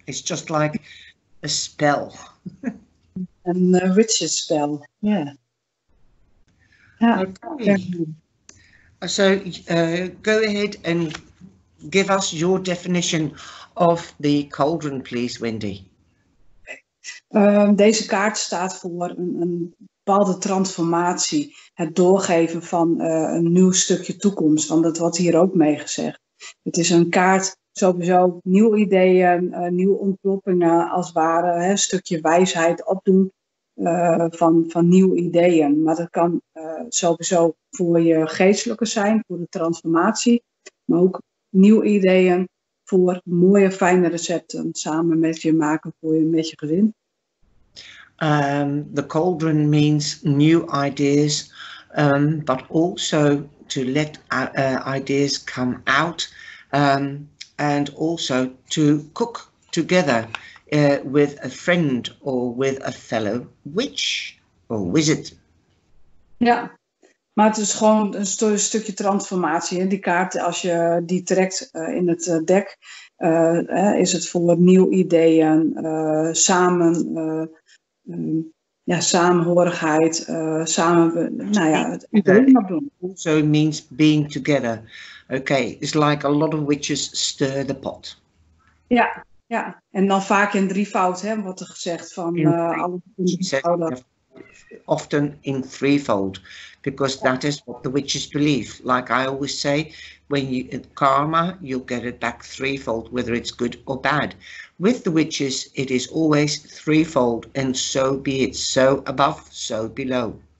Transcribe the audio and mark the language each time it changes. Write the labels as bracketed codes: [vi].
[en] It's just like a spell. And a richer spell, yeah. Okay. So go ahead and give us your definition of the cauldron, please, Wendy. [nl] Deze kaart staat voor een bepaalde transformatie. Het doorgeven van een nieuw stukje toekomst. Want dat wordt hier ook mee gezegd. Het is een kaart. Sowieso nieuwe ideeën, nieuwe ontploppingen als het ware. Een stukje wijsheid opdoen van nieuwe ideeën. Maar dat kan sowieso voor je geestelijke zijn, voor de transformatie. Maar ook nieuwe ideeën voor mooie, fijne recepten samen met je maken voor je, met je gezin. [en] The cauldron means new ideas, But also to let ideas come out, and also to cook together with a friend or with a fellow witch or wizard. [nl] Ja, maar het is gewoon een stukje transformatie. Hè? Die kaart, als je die trekt in het deck, is het voor nieuwe ideeën, samen, samenhorigheid, samen, maar doen. [en] So it means being together. Okay, it's like a lot of witches stir the pot. [nl] Ja, ja. En dan vaak in drievoud, hè, wordt er gezegd van alles. [en] Often in threefold, because that is what the witches believe. Like I always say, when you karma, you'll get it back threefold, whether it's good or bad. With the witches, it is always threefold, and so be it. So above, so below.